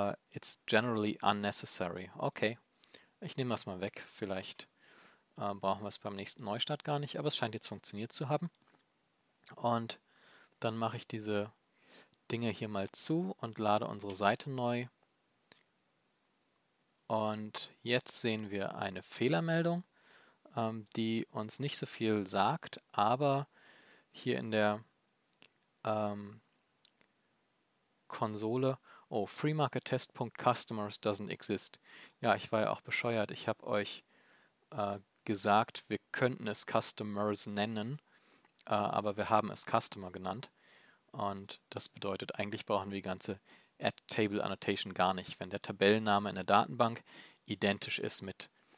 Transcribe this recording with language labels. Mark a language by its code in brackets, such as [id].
[en] It's generally unnecessary. [de] Okay, ich nehme das mal weg. Vielleicht brauchen wir es beim nächsten Neustart gar nicht, aber es scheint jetzt funktioniert zu haben. Und dann mache ich diese Dinge hier mal zu und lade unsere Seite neu. Und jetzt sehen wir eine Fehlermeldung, die uns nicht so viel sagt, aber hier in der Konsole. [en] Oh, freemarkettest.customers doesn't exist. [de] Ja, ich war ja auch bescheuert. Ich habe euch gesagt, wir könnten es Customers nennen, aber wir haben es Customer genannt. Und das bedeutet, eigentlich brauchen wir die ganze AddTableAnnotation gar nicht. Wenn der Tabellenname in der Datenbank identisch ist mit